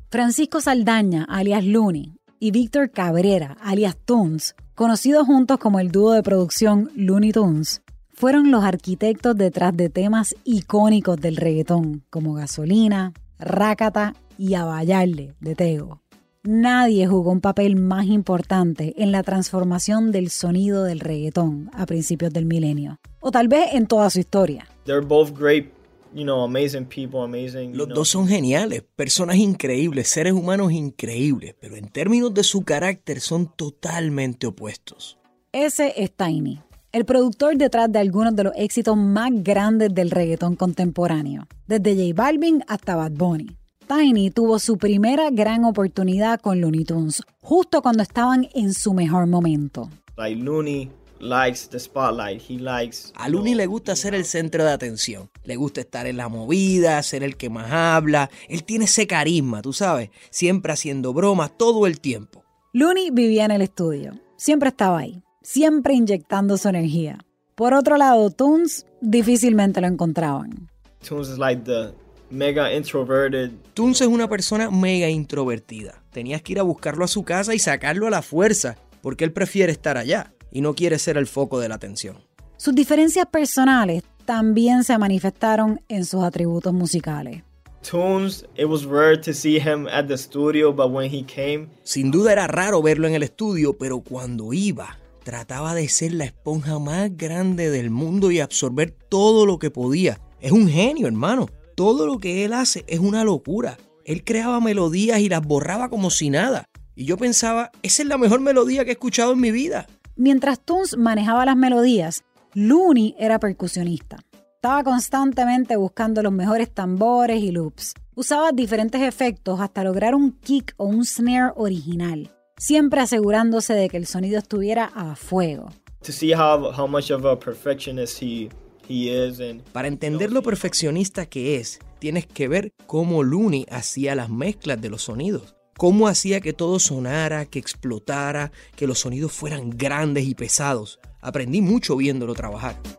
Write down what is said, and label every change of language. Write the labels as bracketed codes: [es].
[es] Francisco Saldaña, alias Looney, y Víctor Cabrera, alias Tunes, conocidos juntos como el dúo de producción Looney Tunes, fueron los arquitectos detrás de temas icónicos del reggaetón, como Gasolina, Rácata y A Bayarle, de Tego. Nadie jugó un papel más importante en la transformación del sonido del reggaetón a principios del milenio, o tal vez en toda su historia. [en] They're both great, you know, amazing people, amazing. [es] Los dos son geniales, personas increíbles, seres humanos increíbles, pero en términos de su carácter son totalmente opuestos. Ese es Tiny, el productor detrás de algunos de los éxitos más grandes del reggaetón contemporáneo, desde J Balvin hasta Bad Bunny. Tiny tuvo su primera gran oportunidad con Looney Tunes, justo cuando estaban en su mejor momento. [en] Like Looney likes the spotlight. He likes, [es] a Looney le gusta ser el centro de atención. Le gusta estar en la movida, ser el que más habla. Él tiene ese carisma, tú sabes, siempre haciendo bromas todo el tiempo. Looney vivía en el estudio. Siempre estaba ahí, siempre inyectando su energía. Por otro lado, Tunes difícilmente lo encontraban. [en] Tunes is like the mega introverted. [es] Tunes es una persona mega introvertida. Tenías que ir a buscarlo a su casa y sacarlo a la fuerza, porque él prefiere estar allá y no quiere ser el foco de la atención. Sus diferencias personales también se manifestaron en sus atributos musicales. [en] Tunes, it was rare to see him at the studio, but when he came, [es] sin duda era raro verlo en el estudio, pero cuando iba, trataba de ser la esponja más grande del mundo y absorber todo lo que podía. Es un genio, hermano. Todo lo que él hace es una locura. Él creaba melodías y las borraba como si nada. Y yo pensaba, esa es la mejor melodía que he escuchado en mi vida. Mientras Tunes manejaba las melodías, Looney era percusionista. Estaba constantemente buscando los mejores tambores y loops. Usaba diferentes efectos hasta lograr un kick o un snare original, siempre asegurándose de que el sonido estuviera a fuego. [en] To see how much of a perfectionist he is and... [es] Para entender lo perfeccionista que es, tienes que ver cómo Looney hacía las mezclas de los sonidos. Cómo hacía que todo sonara, que explotara, que los sonidos fueran grandes y pesados. Aprendí mucho viéndolo trabajar.